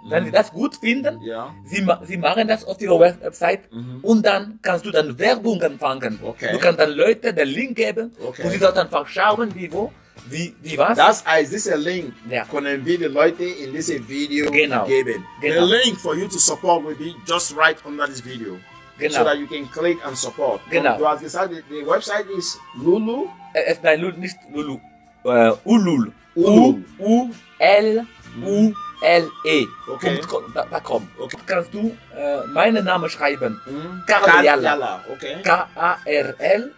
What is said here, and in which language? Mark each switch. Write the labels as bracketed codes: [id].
[de] Mhm. Wenn sie das gut finden, ja. sie machen das auf ihrer Website mhm. und dann kannst du dann Werbung empfangen. Okay. Du kannst dann Leute den Link geben okay. und sie sollen einfach schauen, wie was? Das heißt, dieser Link ja. können wir die Leute in diesem Video genau. geben. Genau. [en] The link for you to support will be just right under this video. [de] Genau. [en] So that you can click and support. [de] Genau. Du hast gesagt, [en] the website is Lulu. [de] Nein, Lulu, nicht Lulu. Ulul. U-U-L-U-L-E. Okay. Da komm. Okay. Kannst du meinen Namen schreiben? Mm-hmm. Karl-Jalla. Okay. K-A-R-L